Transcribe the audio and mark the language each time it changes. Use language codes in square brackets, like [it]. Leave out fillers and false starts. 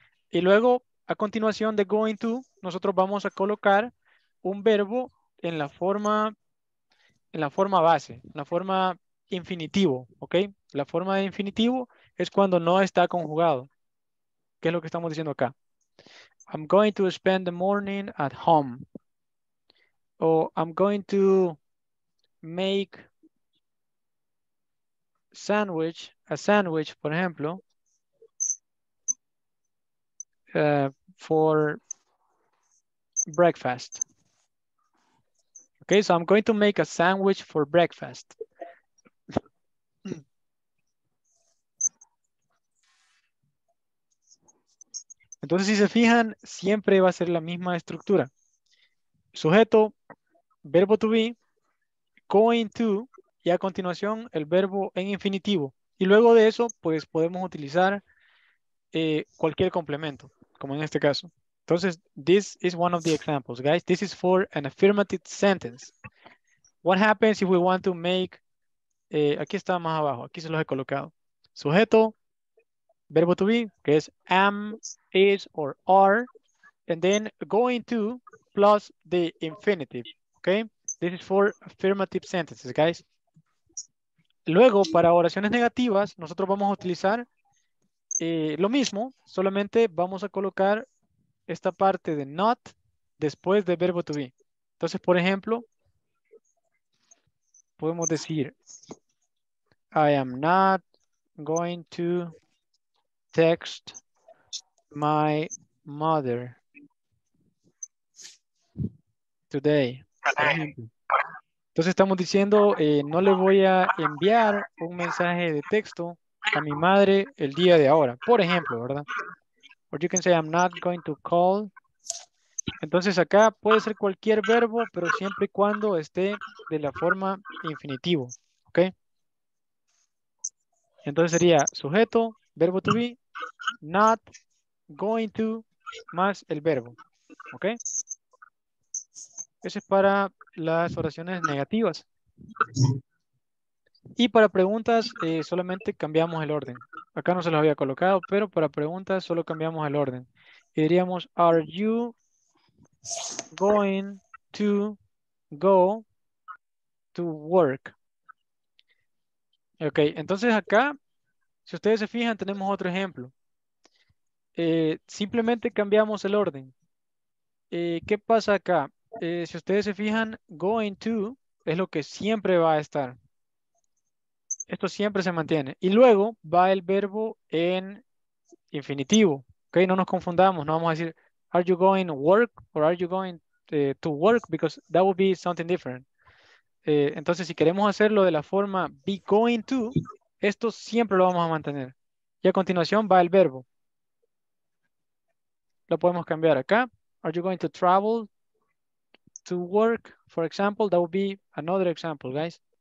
[es] Y luego, a continuación de going to, nosotros vamos a colocar un verbo en la forma base, la forma infinitivo, ¿ok? La forma de infinitivo es cuando no está conjugado, que es lo que estamos diciendo acá. [en] I'm going to spend the morning at home. O I'm going to make a sandwich, [es] por ejemplo, [en] for breakfast. Okay, so I'm going to make a sandwich for breakfast. [es] Entonces, si se fijan, siempre va a ser la misma estructura. Sujeto, verbo to be, going to, y a continuación el verbo en infinitivo. Y luego de eso, pues podemos utilizar cualquier complemento, como en este caso. [en] Entonces, this is one of the examples, guys. This is for an affirmative sentence. What happens if we want to make, [es] aquí está más abajo, aquí se los he colocado. Sujeto, verbo to be, que es [en] am, is, or are, and then going to plus the infinitive. Okay, this is for affirmative sentences, guys. [es] Luego, para oraciones negativas, nosotros vamos a utilizar lo mismo, solamente vamos a colocar esta parte de not después del verbo to be. Entonces, por ejemplo, podemos decir, [en] I am not going to text my mother today. [es] Entonces estamos diciendo, no le voy a enviar un mensaje de texto a mi madre el día de ahora, por ejemplo, ¿verdad? [en] Or you can say, I'm not going to call. [es] Entonces acá puede ser cualquier verbo, pero siempre y cuando esté de la forma infinitivo, ¿ok? Entonces sería sujeto, verbo to be, not going to, más el verbo, ¿ok? Eso es para las oraciones negativas. Y para preguntas, solamente cambiamos el orden. Acá no se los había colocado, pero para preguntas solo cambiamos el orden. Y diríamos, [en] are you going to go to work? [es] Ok, entonces acá, si ustedes se fijan, tenemos otro ejemplo. Simplemente cambiamos el orden. ¿Qué pasa acá? Si ustedes se fijan, going to es lo que siempre va a estar. Esto siempre se mantiene. Y luego va el verbo en infinitivo. ¿Okay? No nos confundamos. No vamos a decir, [en] are you going to work? Or are you going to work? Because that would be something different. [es] Entonces, si queremos hacerlo de la forma be going to, esto siempre lo vamos a mantener. Y a continuación va el verbo. Lo podemos cambiar acá. [en] Are you going to travel to work, for example? That would be another example, guys.